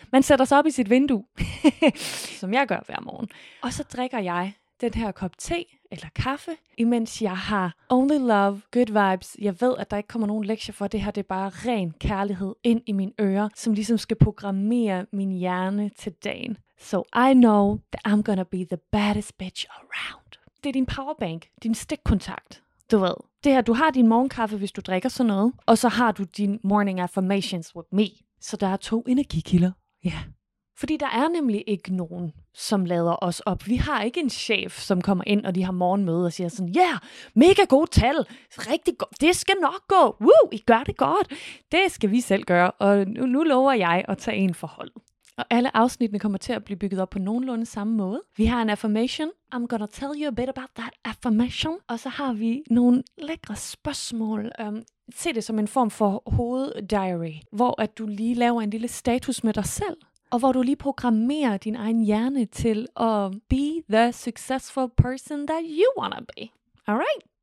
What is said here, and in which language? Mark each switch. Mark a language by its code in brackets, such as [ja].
[da] Man sætter sig op i sit vindue, som jeg gør hver morgen. Og så drikker jeg den her kop te eller kaffe, imens jeg har [en] only love, good vibes. [da] Jeg ved, at der ikke kommer nogen lektier for det her, det er bare ren kærlighed ind i mine ører, som ligesom skal programmere min hjerne til dagen. [en] So I know that I'm gonna be the baddest bitch around. [da] Det er din powerbank, din stikkontakt. Du ved. Det her, du har din morgenkaffe, hvis du drikker sådan noget. Og så har du din [en] morning affirmations with me. [da] Så der er to energikilder. Ja. [en] Yeah. [da] Fordi der er nemlig ikke nogen, som lader os op. Vi har ikke en chef, som kommer ind, og de har morgenmøde og siger sådan, ja, yeah, mega gode tal. Rigtig godt. Det skal nok gå. Woo, I gør det godt. Det skal vi selv gøre. Og nu lover jeg at tage en for holdet. Og alle afsnittene kommer til at blive bygget op på nogenlunde samme måde. Vi har en affirmation. [en] I'm gonna tell you a bit about that affirmation. [da] Og så har vi nogle lækre spørgsmål. Se det som en form for hoveddiary, hvor at du lige laver en lille status med dig selv. Og hvor du lige programmerer din egen hjerne til at [en] be the successful person that you wanna be. Alright?